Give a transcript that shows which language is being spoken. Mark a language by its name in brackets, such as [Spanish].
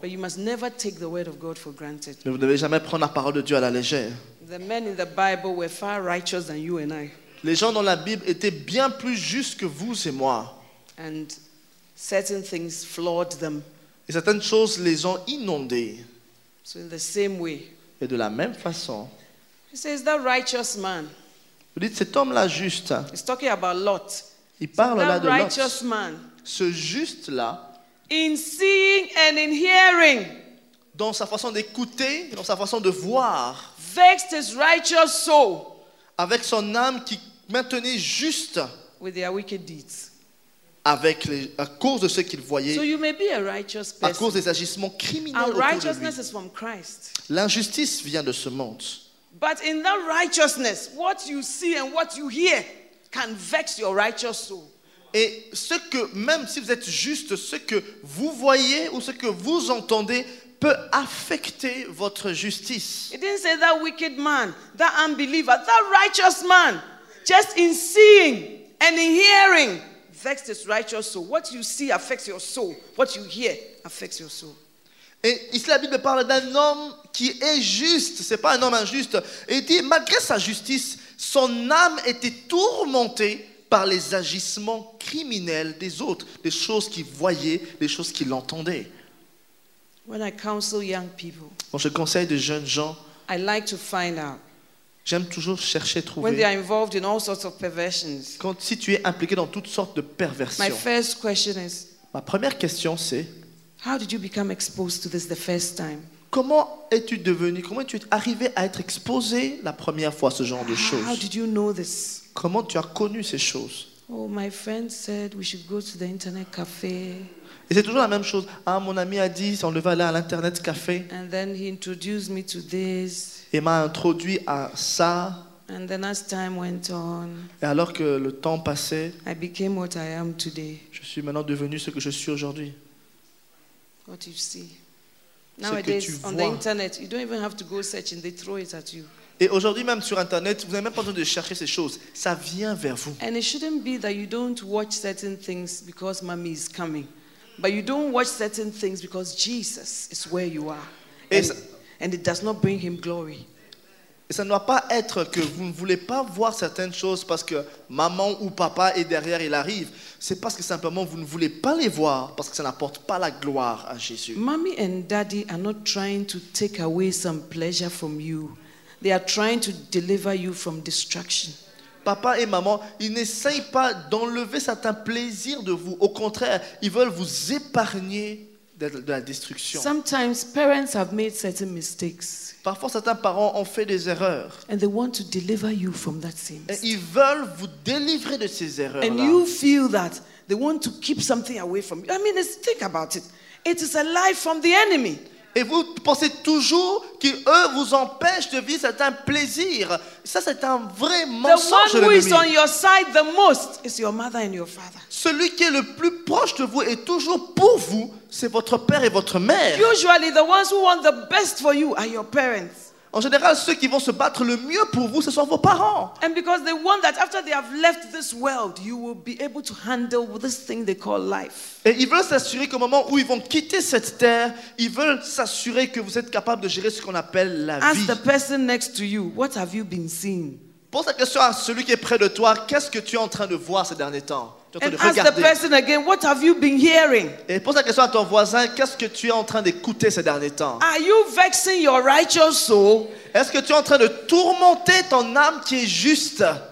[English] But you must never take the word of God for granted. [French] Mais vous ne devez jamais prendre la parole de Dieu à la légère. [English] The men in the Bible were far righteous than you and I. [French] Les gens dans la Bible étaient bien plus justes que vous et moi. [English] And certain things flawed them. [French] Et certaines choses les ont inondés. [English] So in the same way. [French] Et de la même façon. [English] He says that righteous man. [French] Vous dites cet homme-là juste. [English] He's talking about Lot. [French] Il parle là de Lot. [English] That righteous man. [French] Ce juste-là. [English] In seeing and in hearing, [French] dans sa façon d'écouter, dans sa façon de voir, [English] vexed his righteous soul, [French] avec son âme qui maintenait juste, [English] with their wicked deeds, [French] avec les, à cause de ce qu'il voyait, [English] so you may be a righteous person, [French] à cause des agissements criminels autour de lui. [English] Our righteousness is from Christ. [French] L'injustice vient de ce monde. [English] But in that righteousness, what you see and what you hear can vex your righteous soul. [French] Et ce que, même si vous êtes juste, ce que vous voyez ou ce que vous entendez peut affecter votre justice. [English] He didn't say that wicked man, that unbeliever, that righteous man, just in seeing and in hearing, vexed his righteous soul. What you see affects your soul. What you hear affects your soul. [French] Et ici la Bible parle d'un homme qui est juste, c'est pas un homme injuste. Et il dit, malgré sa justice, son âme était tourmentée par les agissements criminels des autres, des choses qu'il voyait, des choses qu'il entendait. [English] When I counsel young people, [French] quand je conseille de jeunes gens, [English] I like to find out, [French] j'aime toujours chercher, trouver. [English] When they are involved in all sorts of perversions, [French] quand, si tu es impliqué dans toutes sortes de perversions, [English] my first question is, [French] ma première question c'est, [English] how did you become exposed to this the first time? [French] Comment es-tu devenu, comment es-tu arrivé à être exposé la première fois à ce genre de choses? [English] How did you know this? [French] Comment tu as connu ces choses? [English] Oh, my friend said we should go to the internet cafe. [French] Et c'est toujours la même chose. Ah, mon ami a dit qu'on devait aller à l'internet café. [English] And then he introduced me to this. [French] Et m'a introduit à ça. [English] And then as time went on, [French] et alors que le temps passait, [English] I became what I am today. [French] Je suis maintenant devenu ce que je suis aujourd'hui. [English] What you see. Nowadays, on the internet, you don't even have to go searching, they throw it at you. [French] Et aujourd'hui même sur internet, vous n'avez même pas besoin de chercher ces choses, ça vient vers vous. [English] And it shouldn't be that you don't watch certain things because mommy is coming, but you don't watch certain things because Jesus is where you are, and it does not bring him glory. [French] Et ça ne doit pas être que vous ne voulez pas voir certaines choses parce que maman ou papa est derrière, il arrive. C'est parce que simplement vous ne voulez pas les voir parce que ça n'apporte pas la gloire à Jésus. [English] Mommy and daddy are not trying to take away some pleasure from you. They are trying to deliver you from destruction. [French] Papa et maman, ils n'essayent pas d'enlever certains plaisirs de vous. Au contraire, ils veulent vous épargner de la destruction. [English] Sometimes parents have made certain mistakes. [French] Parfois, certains parents ont fait des erreurs. [English] And they want to deliver you from that sin. [French] Et ils veulent vous délivrer de ces erreurs-là. [English] And you feel that they want to keep something away from you. I mean, think about it. It is a lie from the enemy. [French] Et vous pensez toujours qu'eux vous empêchent de vivre certains plaisirs. Ça, c'est un vrai mensonge. [English] The one who is on your side the most is your mother and your father. [French] Celui qui est le plus proche de vous est toujours pour vous, c'est votre père et votre mère. [English] Usually, the ones who want the best for you are your parents. [French] En général, ceux qui vont se battre le mieux pour vous, ce sont vos parents. [English] And because they want that after they have left this world, you will be able to handle this thing they call life. [French] Et ils veulent s'assurer qu'au moment où ils vont quitter cette terre, ils veulent s'assurer que vous êtes capable de gérer ce qu'on appelle la vie. [English] Ask the person next to you, what have you been seeing? [French] Pose la question à celui qui est près de toi, qu'est-ce que tu es en train de voir ces derniers temps? [English] And ask the person again, what have you been hearing? [French] Et pose la question à ton voisin, qu'est-ce que tu es en train d'écouter ces derniers temps? [English] Are you vexing your righteous soul? [French] Est-ce que tu es en train de tourmenter ton âme qui est juste?